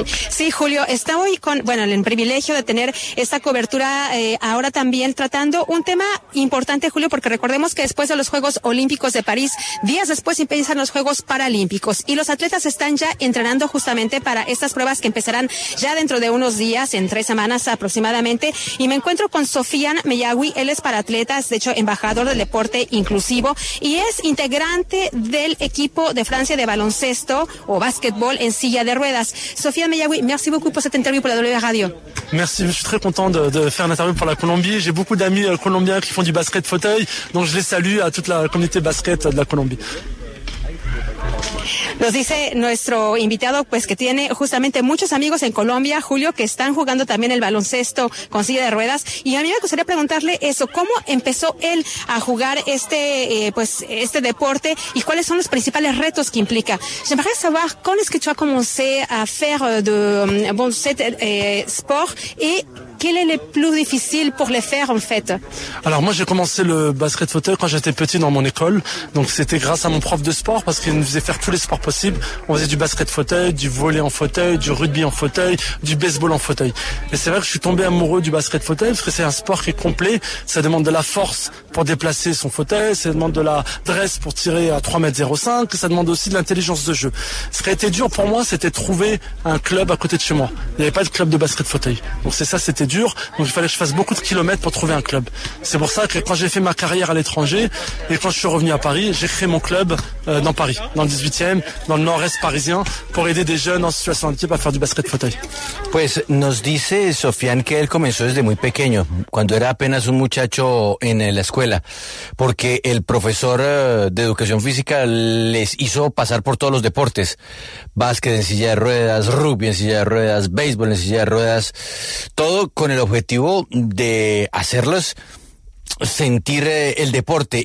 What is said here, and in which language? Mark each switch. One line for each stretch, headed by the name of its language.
Spanish: Sí, Julio, estoy con, bueno, el privilegio de tener esta cobertura ahora también tratando un tema importante, Julio, porque recordemos que después de los Juegos Olímpicos de París, días después empiezan los Juegos Paralímpicos y los atletas están ya entrenando justamente para estas pruebas que empezarán ya dentro de unos días, en 3 semanas aproximadamente, y me encuentro con Sofian Meyawi. Él es paraatleta, es de hecho embajador del deporte inclusivo y es integrante del equipo de Francia de baloncesto o básquetbol en silla de ruedas.
French: Sofian Meyawi, merci beaucoup pour cette interview pour la W Radio. Merci, je suis très content de faire une interview pour la Colombie. J'ai beaucoup d'amis colombiens qui font du basket fauteuil, donc je les salue à toute la communauté basket de la Colombie.
Spanish: Nos dice nuestro invitado, pues, que tiene justamente muchos amigos en Colombia, Julio, que están jugando también el baloncesto con silla de ruedas. Y a mí me gustaría preguntarle eso, ¿cómo empezó él a jugar este deporte y cuáles son los principales retos que implica?
French: Je voudrais savoir comment est-ce que tu as commencé à faire de bon cet sport et quel est le plus difficile pour le faire en fait? Alors moi j'ai commencé le basket fauteuil quand j'étais petit dans mon école. Donc c'était grâce à mon prof de sport parce qu'il nous faisait faire tous les sports possibles. On faisait du basket fauteuil, du volley en fauteuil, du rugby en fauteuil, du baseball en fauteuil. Et c'est vrai que je suis tombé amoureux du basket fauteuil parce que c'est un sport qui est complet. Ça demande de la force pour déplacer son fauteuil, ça demande de la dresse pour tirer à 3,05 m, ça demande aussi de l'intelligence de jeu. Ce qui a été dur pour moi, c'était trouver un club à côté de chez moi. Il n'y avait pas de club de basket fauteuil. Donc c'est ça, c'était dur. Donc il fallait que je fasse beaucoup de kilomètres pour trouver un club. C'est pour ça que quand j'ai fait ma carrière à l'étranger et quand je suis revenu à Paris, j'ai créé mon club dans Paris, dans le 18e, dans le nord-est parisien, pour aider des jeunes en situation de handicap à faire du basket fauteuil.
Spanish: Pues nos dice Sofian que él comenzó desde muy pequeño, cuando era apenas un muchacho en la escuela. Porque el profesor de educación física les hizo pasar por todos los deportes: básquet en silla de ruedas, rugby en silla de ruedas, béisbol en silla de ruedas, todo con el objetivo de hacerlos sentir el deporte.